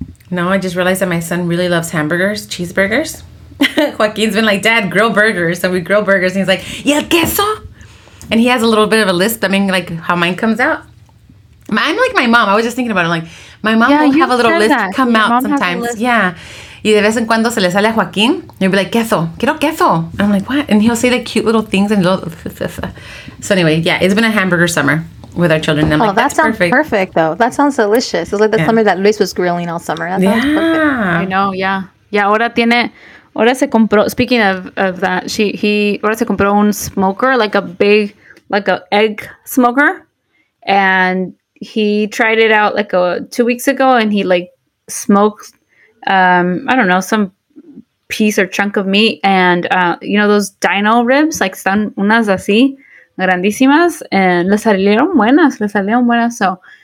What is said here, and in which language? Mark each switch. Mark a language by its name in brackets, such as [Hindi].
[English] No, I just realized that my son really loves hamburgers, cheeseburgers. Joaquin's been like, Dad, grill burgers. So we grill burgers. And he's like, [Spanish] ¿y el queso? [English] And he has a little bit of a lisp. I mean, like how mine comes out. I'm like my mom. I was just thinking about it. I'm like, my mom will have a little lisp come out sometimes. Yeah. [Spanish] Y de vez en cuando se le sale a Joaquín, [English] you'll be like, [Spanish] queso, quiero queso. [English] And I'm like, what? And he'll say the cute little things. And so anyway, yeah, it's been a hamburger summer with our children. And I'm like, that's perfect. Sounds perfect, though. That sounds delicious. It's like the summer that Luis was grilling all summer. That sounds perfect. I know, yeah. [Spanish] Yeah, ahora tiene... Ahora se compró, [English] speaking of that, [Spanish] ahora se compró un smoker, [English] like a big, like a egg smoker, and he tried it out like 2 weeks ago, and he like smoked, I don't know, some piece or chunk of meat, and you know those dino ribs, like [Spanish] están unas así, grandísimas, [English] and [Spanish] le salieron buenas, [English] so...